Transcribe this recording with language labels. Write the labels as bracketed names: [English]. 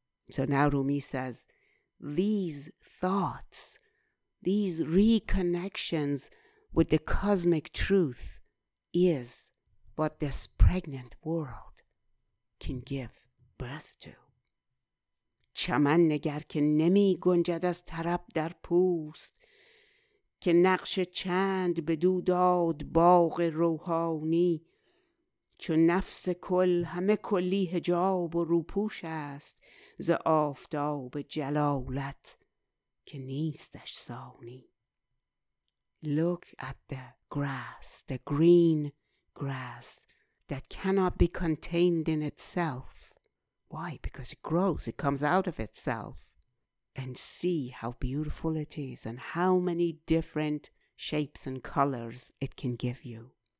[English] So now Rumi says, these thoughts, these reconnections with the cosmic truth is what this pregnant world can give birth to. [Persian] چمن نگر که نمی گنجد از طرب در پوست که نقش چند بدو داد باغ روحانی. چون نفس کل همه کلی حجاب و روپوش است ز آفتاب جلالت که نیستش ثانی. [English] Look at the grass, the green grass that cannot be contained in itself. Why? Because it grows, it comes out of itself. And see how beautiful it is and how many different shapes and colors it can give you.